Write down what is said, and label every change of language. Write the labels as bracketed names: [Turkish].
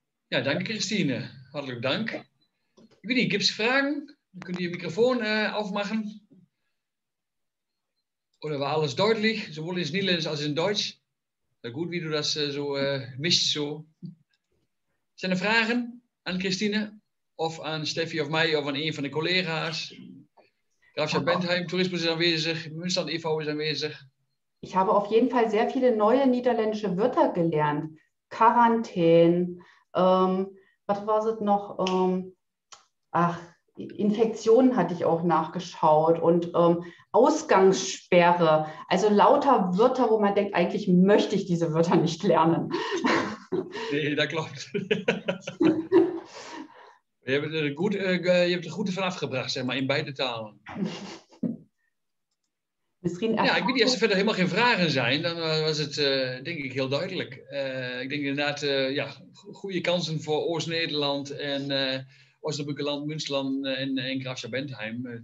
[German] Ja, danke Christine. [Dutch] Hartelijk dank. [German] Ich weiß nicht, gibt es Fragen? Dann könnt ihr das Mikrofon aufmachen. Oder war alles deutlich, sowohl in Niederländisch als in Deutsch? Na gut, wie du das so mischt. So. [Dutch] Zijn er vragen aan Christine? Of aan Steffi of mij of aan een van de collega's? Grafschap Bentheim, Tourisme is aanwezig. Münsterland e.V. is aanwezig. Ik heb op [German] jeden Fall sehr viele neue niederländische Wörter gelernt. [Dutch] Quarantäne. Wat was het nog? [German] Infektionen hatte ich auch nachgeschaut und Ausgangssperre, also lauter Wörter, wo man denkt, eigentlich möchte ich diese Wörter nicht lernen. [Dutch] Nee, da klopt. Je hebt er goed, je hebt er goed van afgebracht, zeg maar, in beide talen. Misschien ja, ik weet niet, als er verder helemaal geen vragen zijn, dan was het denk ik heel duidelijk. Ik denk inderdaad, ja, goede kansen voor Oost-Nederland en Oost-Nederland, Münsterland en Graafschap Bentheim.